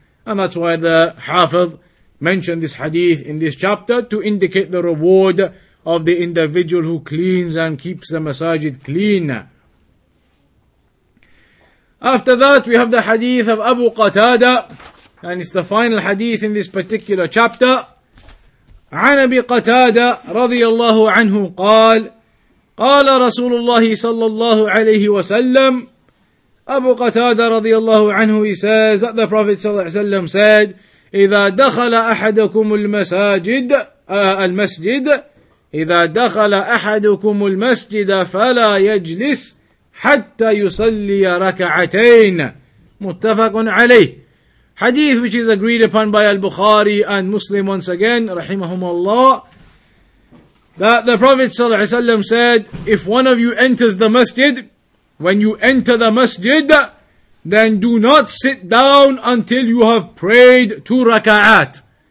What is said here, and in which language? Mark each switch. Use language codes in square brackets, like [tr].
[en] And that's why the Hafiz mentioned this hadith in this chapter, to indicate the reward of the individual who cleans and keeps the masajid clean. After that, we have the hadith of Abu Qatada, and it's the final hadith in this particular chapter. [ar] عن أبي قتادة رضي الله عنه قال قال رسول الله صلى الله عليه وسلم. Abu Qatada رضي الله عنه, [en] he says that the Prophet [ar] صلى الله عليه وسلم [en] said, [ar] إذا دخل أحدكم المساجد المسجد إذا دخل أحدكم المسجد فلا يجلس حتى يصلي ركعتين. متفق عليه. [en] Hadith which is agreed upon by Al-Bukhari and Muslim once again, rahimahumullah, that the Prophet sallallahu alaihi wasallam said, if one of you enters the masjid, when you enter the masjid, then do not sit down until you have prayed two raka'at.